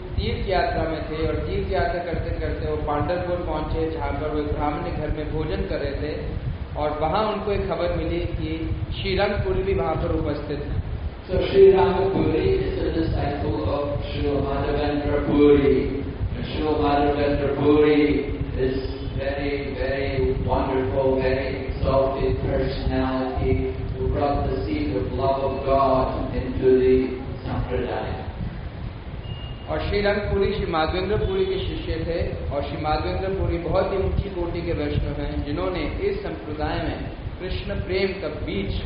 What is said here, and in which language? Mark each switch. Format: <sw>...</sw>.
<hi>करते करते वो पांडरपुर पहुंचे जहां पर वे ब्राह्मण घर में भोजन कर रहे थे. और वहां उनको एक खबर मिली कि श्री रंगपुरी भी वहां पर उपस्थित है.</hi> <en>So Sri Rangpuri is a disciple of Sri Madhavendra Puri. Sri Madhavendra Puri is very, very wonderful, very exalted personality who brought the seed of love of God into the sampradaya.</en> <hi>और श्री रंगपुरी श्री माधवेंद्र पुरी के शिष्य थे और श्री माधवेंद्र पुरी बहुत ही ऊंची कोटि के वैष्णव हैं जिन्होंने इस संप्रदाय में कृष्ण प्रेम का बीज</hi>